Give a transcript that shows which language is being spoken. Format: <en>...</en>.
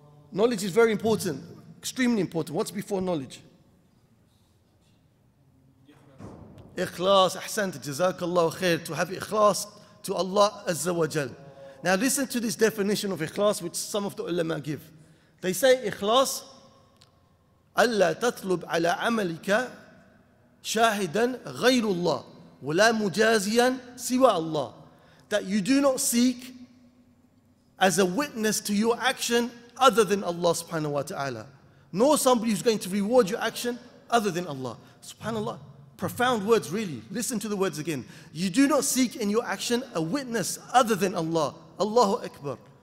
<en>Knowledge is very important, extremely important. What's before knowledge? Ikhlas, ahsant, jazakallahu khair, to have ikhlas to Allah Azza wa Jal. Now listen to this definition of ikhlas which some of the ulama give. They say ikhlas,</en> <ar>أَلَّا تَطْلُبْ عَلَىٰ عَمَلِكَ شَاهِدًا غَيْرُ اللَّهِ وَلَا مُجَازِيًا سِوَى اللَّهِ.</ar> <en>That you do not seek as a witness to your action other than Allah subhanahu wa ta'ala, nor somebody who's going to reward your action other than Allah. Subhanallah. Profound words, really. Listen to the words again. You do not seek in your action a witness other than Allah. Allahu Akbar.</en>